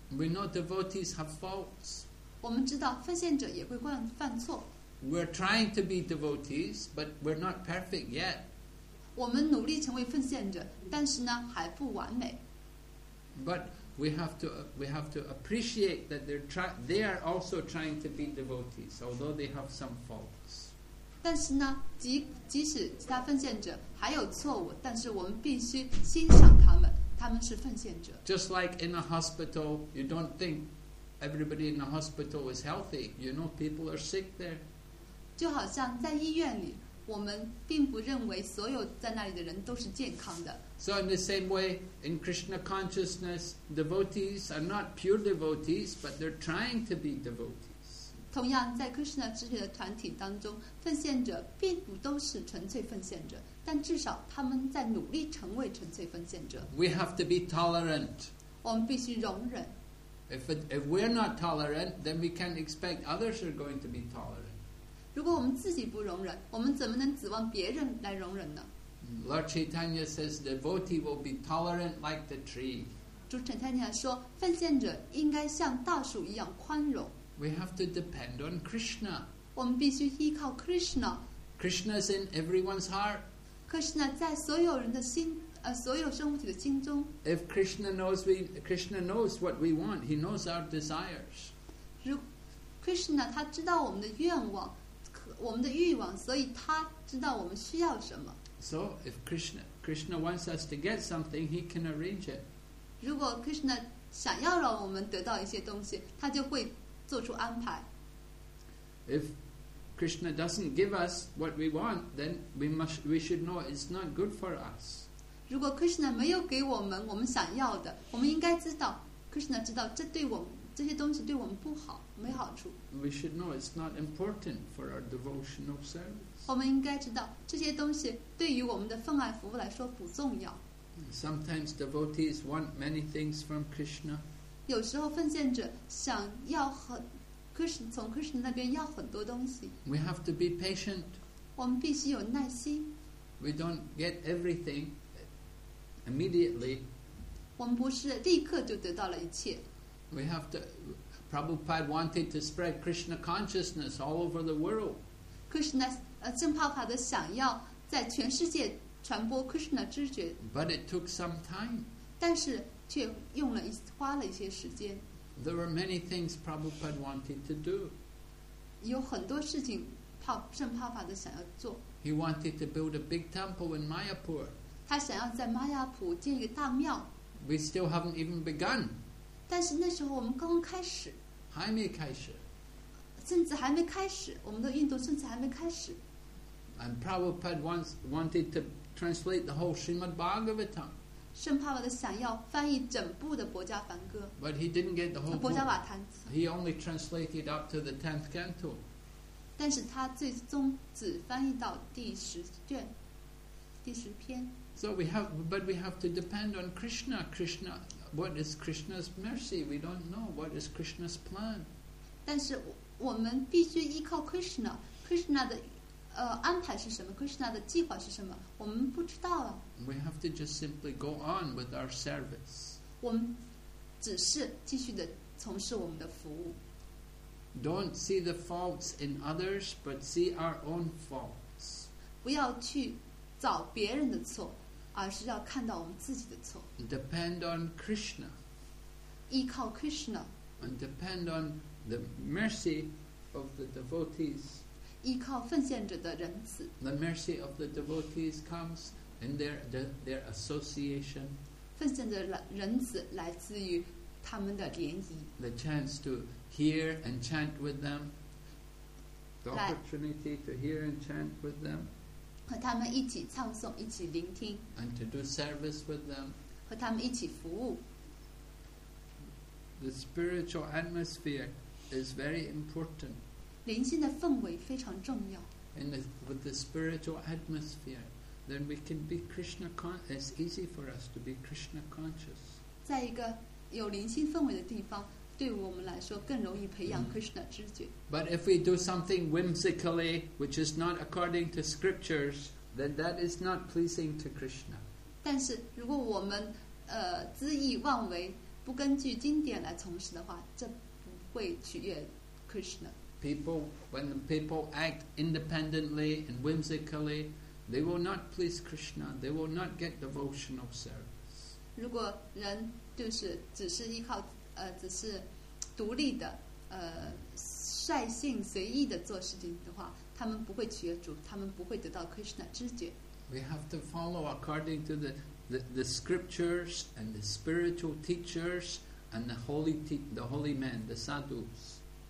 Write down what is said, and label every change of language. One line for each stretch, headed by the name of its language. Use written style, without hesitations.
English: We know devotees have faults.
Chinese: 我们知道分散者也会犯错。
English: We're trying to be devotees, but we're not perfect yet.
Chinese: 我们努力成为分散者，但是呢，还不完美。
English: But we have to appreciate that they are also trying to be devotees, although they have some faults.
Chinese: 但是呢 即使其他奉献者还有错误但是我们必须欣赏他们他们是奉献者
English: Just like in a hospital you don't think everybody in a hospital is healthy you know people are sick there
Chinese: 就好像在医院里我们并不认为所有在那里的人都是健康的
English: So in the same way in Krishna consciousness devotees are not pure devotees but they're trying to be devotees
Chinese: 同样在 Krishna 知觉的团体当中奉献者并不都是纯粹奉献者但至少他们在努力成为纯粹奉献者
English: We have to be tolerant
Chinese: 我们必须容忍
English: If we're not tolerant then we can't expect others are going to be tolerant
Chinese: 如果我们自己不容忍我们怎么能指望别人来容忍呢
English: Lord Chaitanya says the devotee will be tolerant like the tree
Chinese: 主 Chaitanya 说奉献者应该像大树一样宽容
English: We have to depend on Krishna.
Chinese: 我们必须依靠 Krishna.
English: Krishna's in everyone's heart.
Chinese: Krishna 在所有人的心，所有生物体的心中。
English: If Krishna knows what we want, he knows our desires.
Chinese: Krishna 他知道我们的愿望，我们的欲望，所以他知道我们需要什么。
English: So if Krishna wants us to get something, he can arrange it.
Chinese: 如果 Krishna 想要让我们得到一些东西，他就会。做出安排。
English: If Krishna doesn't give us what we want, then we should know it's not good for us.
Chinese: 如果 Krishna 没有给我们我们想要的，我们应该知道 ，Krishna 知道这对我这些东西对我们不好，没好处。
English: We should know it's not important for our devotional service.
Chinese: 我们应该知道这些东西对于我们的奉爱服务来说不重要。
English: Sometimes devotees want many things from Krishna.
Chinese: 有时候奉献者想要很 Krishna, 从 Krishna 那边要很多东西
English: We have to be patient
Chinese: 我们必须有耐心
English: We don't get everything immediately
Chinese: 我们不是立刻就得到了一切
English: We have to Prabhupada wanted to spread Krishna consciousness all over the world
Chinese: Krishna 正帕帕的想要在全世界传播 Krishna 知觉
English: But it took some time
Chinese: 但是却用了一花了一些时间。
English: There were many things Prabhupada wanted to do.
Chinese: 有很多事情，圣帕帕的想要做。
English: He wanted to build a big temple in Mayapur.
Chinese: 他想要在玛雅普建一个大庙。
English: We still haven't even begun.
Chinese: 但是那时候我们刚刚开始。还没开始。甚至还没开始，我们的运动甚至还没开始。
English: And Prabhupada once wanted to translate the whole Srimad Bhagavatam.
Chinese: 圣帕瓦的想要翻译整部的《薄伽梵歌》
English: ，But he didn't get the whole《
Chinese: 薄伽瓦坛》。
English: He only translated up to the 10th canto.
Chinese: 但是他最终只翻译到第十卷，第十篇。
English: So we have, but we have to depend on Krishna. Krishna, what is Krishna's mercy? We don't know what is Krishna's plan.
Chinese: 但是我们必须依靠 Krishna. Krishna 的安排是什么 ？Krishna 的计划是什么？我们不知道啊。
English: We have to just simply go on with our service.
Chinese: 我们只是继续的从事我们的服务。
English: Don't see the faults in others, but see our own faults.
Chinese: 不要去找别人的错，而是要看到我们自己的错。
English: Depend on Krishna.
Chinese: 依靠 Krishna.
English: And depend on the mercy of the devotees.
Chinese: 依靠奉献者的仁慈。
English: The mercy of the devotees comes in their association.
Chinese: 奉献者仁慈来自于他们的联谊。
English: The chance to hear and chant with them. The opportunity to hear and chant with them.
Chinese: 和他们一起唱诵，一起聆听。
English: And to do service with them.
Chinese: 和他们一起服务。
English: The spiritual atmosphere is very important.
Chinese: 灵性的氛围非常重要。
English: And with the spiritual atmosphere, then we can be Krishna conscious. It's easy for us to be Krishna conscious.
Chinese: 在一个有灵性氛围的地方。对我们来说更容易培养 Krishna 知觉。
English: But if we do something whimsically, which is not according to scriptures, then that is not pleasing to Krishna.
Chinese: 但是如果我们恣意妄为，不根据经典来从事的话，这不会取悦 Krishna.
English: People, when people act independently and whimsically, they will not please Krishna. They will not get devotional service.
Chinese: 如果人就是只是依靠只是独立的率性随意的做事情的话，他们不会取悦主，他们不会得到 Krishna 知觉。
English: We have to follow according to the scriptures and the spiritual teachers and the holy men, the sadhus.